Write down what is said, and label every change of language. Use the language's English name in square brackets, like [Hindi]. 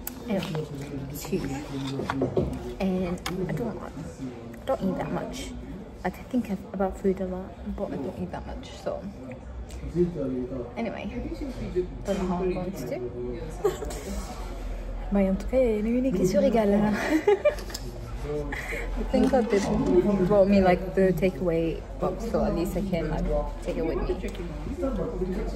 [English] I don't eat that much. Like, I think about food a lot, but I don't eat that much. So, anyway, don't know how I'm going to do. [French] Mais en tout cas, il y a une qui se régale. [English] I think that they brought me like the takeaway box, so at least I can like take it with me.